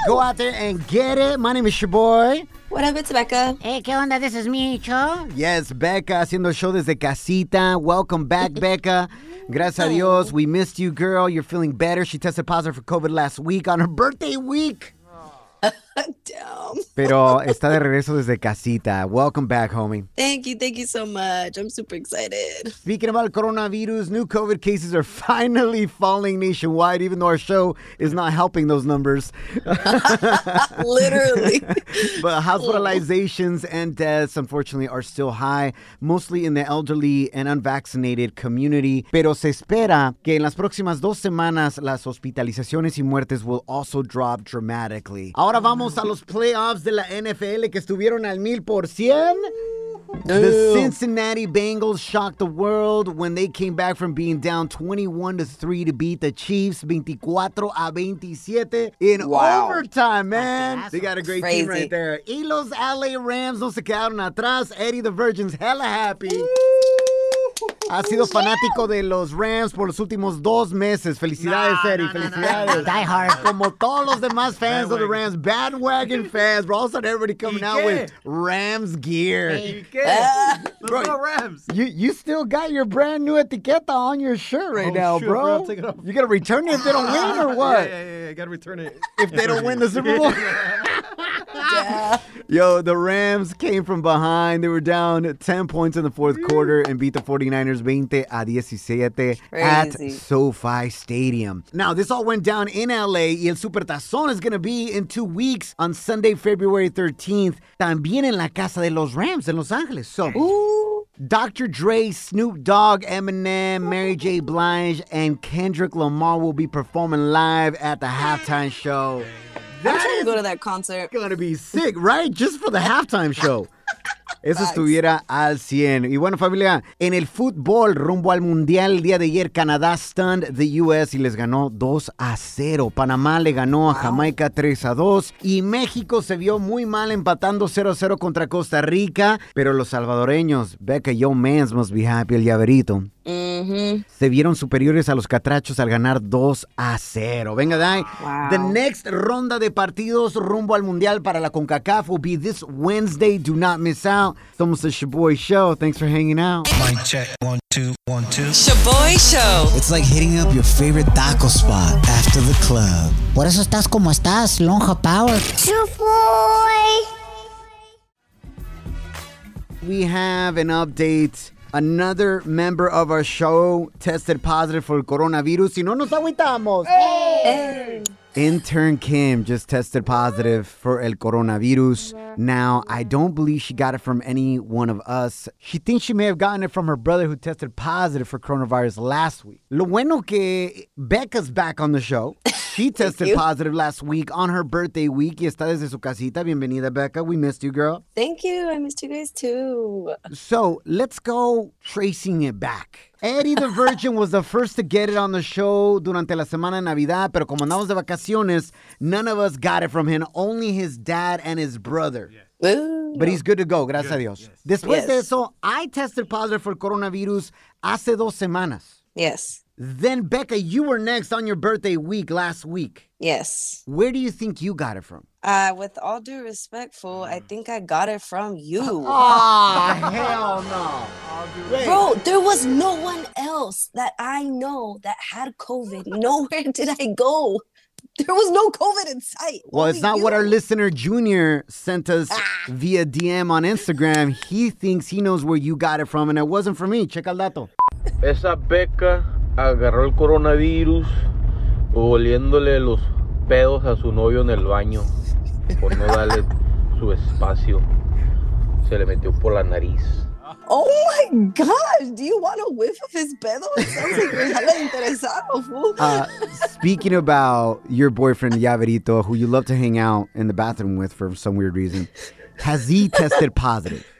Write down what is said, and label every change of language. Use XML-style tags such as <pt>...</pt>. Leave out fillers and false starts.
<en>Go out there and get it. My name is Shaboy. What up, it's Becca. Hey,</en> <es>¿qué onda?</es> <en>This is Micho. Yes, Becca,</en> <es>haciendo show desde casita.</es> <en>Welcome back, Becca.</en> <es>Gracias a Dios.</es> <en>We missed you, girl. You're feeling better. She tested positive for COVID last week on her birthday week. Damn.</en> <es>Pero está de regreso desde casita.</es> <en>Welcome back, homie. Thank you so much. I'm super excited. Speaking about coronavirus, new COVID cases are finally falling nationwide, even though our show is not helping those numbers. Literally. But hospitalizations and deaths, unfortunately, are still high, mostly in the elderly and unvaccinated community.</en> <es>Pero se espera que en las próximas dos semanas las hospitalizaciones y muertes</es> <en>will also drop dramatically.</en> <es>Ahora vamos a los playoffs de la NFL que estuvieron al 1,000%.</es> <en>The Cincinnati Bengals shocked the world when they came back from being down 21-3 to beat the Chiefs 24-27 in overtime, man. That's they got a great crazy team right there.</en> <es>Y los LA Rams no se quedaron atrás.</es> <en>Eddie the Virgin's hella happy.</en> <es>Ha sido fanático de los Rams por los últimos dos meses. Felicidades, Eddie. Felicidades.</es> <en>Die hard.</en> <es>Como todos los demás</es> <en>fans bad of the Rams, bandwagon fans. Bro, all of a sudden, everybody coming out with Rams gear. Bro, let's go Rams. You still got your brand new etiqueta on your shirt right now, shoot, bro. I'll take it off. You got to return it if they don't win or what? Yeah, I got to return it. If they don't win the Super Bowl. Yo, the Rams came from behind. They were down 10 points in the fourth quarter and beat the 49ers 20-17 at SoFi Stadium. Now, this all went down in LA.</en> <es>Y el Super Tazón</es> <en>is going to be in 2 weeks on Sunday, February 13th.</en> <es>También en la Casa de los Rams in Los Angeles.</es> <en>So, Dr. Dre, Snoop Dogg, Eminem, Mary J. Blige, and Kendrick Lamar will be performing live at the halftime show. That I'm trying to go to that concert. Going to be sick, right? Just for the halftime show.</en> <es>Eso estuviera al 100. Y bueno, familia, en el fútbol rumbo al Mundial el día de ayer, Canadá</es> <en>stunned the U.S.</en> <es>y les ganó 2-0. Panamá le ganó a Jamaica 3-2. Y México se vio muy mal empatando 0-0 contra Costa Rica. Pero los salvadoreños, Becca,</es> <en>yo mans must be happy,</en> <es>el llaverito. Se vieron superiores a los catrachos al ganar 2-0. Venga, Dai.</es> <en>The next</en> <es>ronda de partidos rumbo al Mundial para la</es> <en>CONCACAF will be this Wednesday. Do not miss out. It's almost the Shaboy Show. Thanks for hanging out. Mic check. 1, 2, 1, 2. Shaboy Show. It's like hitting up your favorite taco spot after the club.</en> <es>Por eso estás como estás, lonja power.</es> <en>Shaboy. We have an update. Another member of our show tested positive for coronavirus.</en> <es>Y no nos agüitamos.</es> <en>Intern Kim just tested positive for el coronavirus. Now, I don't believe she got it from any one of us. She thinks she may have gotten it from her brother who tested positive for coronavirus last week.</en> <es>Lo bueno que</es> <en>Becca's back on the show. She tested positive last week on her birthday week.</en> <es>Y está desde su casita. Bienvenida,</es> <en>Becca. We missed you, girl. Thank you. I missed you guys, too. So, let's go tracing it back. Eddie the Virgin was the first to get it on the show</en> <es>durante la semana de Navidad, pero como andamos de vacaciones,</es> <en>none of us got it from him, only his dad and his brother. Yeah. But he's good to go,</en> <es>gracias a Dios.</es> <en>Yes.</en> <es>Después de eso,</es> <en>I tested positive for coronavirus</en> <es>hace dos semanas.</es> <en>Yes. Then, Becca, you were next on your birthday week last week. Yes. Where do you think you got it from? With all due respect, fool, I think I got it from you. Oh, hell no. Bro, there was no one else that I know that had COVID. Nowhere did I go. There was no COVID in sight. Well, only it's not you. What our listener, Junior, sent us via DM on Instagram. He thinks he knows where you got it from, and it wasn't for me. Check out dato.</en> <es>Esa Becca agarró el coronavirus oliéndole los pedos a su novio en el baño por no darle su espacio. Se le metió por la nariz.</es> <en>Oh my gosh, do you want a whiff of his pedo? Speaking about your boyfriend Yaverito, who you love to hang out in the bathroom with for some weird reason, has he tested positive?</en>